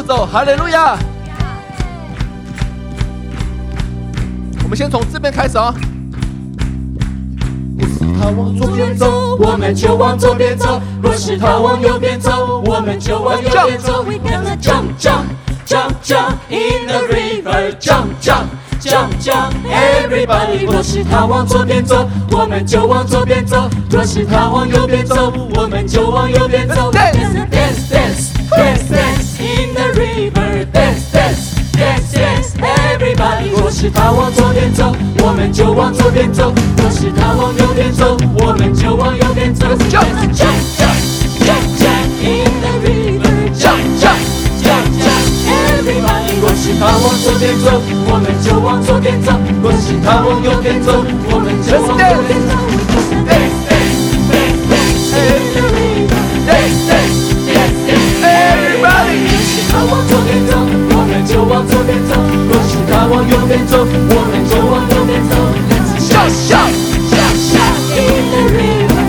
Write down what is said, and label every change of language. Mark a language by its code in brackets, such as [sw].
[zh] 哈利路亚，我们先从这边开始啊。若是他往左边走，我们就往左边走；若是他往右边走，我们就往右边走。 [en] We're gonna jump, jump, jump, jump in the river, jump, jump. Jump, jump, everybody! [zh] 若是他往左边走，我们就往左边走；若是他往右边走，我们就往右边走。 [en] Dance, dance, dance, dance, dance in the river. Dance, dance, dance, dance, everybody! [zh] 若是他往左边走，我们就往左边走；若是他往右边走，我们就往右边走。 [en] Jump, jump, jump, jump, jump, jump in the river. Jump, jump. [zh] 若是他往左边走，我们就往左边走；若是他往右边走，我们就往右边走。 [en] Let's dance, dance, dance, dance, dance, everybody. [zh] 若是他往左边走，我们就往左边走；若是他往右边走，我们就往右边走。 [en] Let's shout, shout, shout, shout in the river.